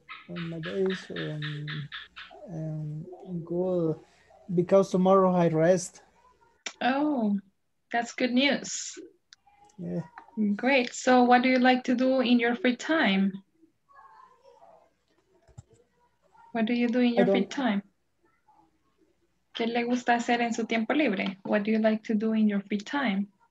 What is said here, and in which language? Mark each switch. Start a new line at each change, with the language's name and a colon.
English: My day is good because tomorrow I rest. Oh, that's good news. Yeah. Great. So what do you like to do in your free time? What do you do in your free time?
Spanish: ¿Qué le gusta hacer en su tiempo libre?
English: What do you like to do in your free time?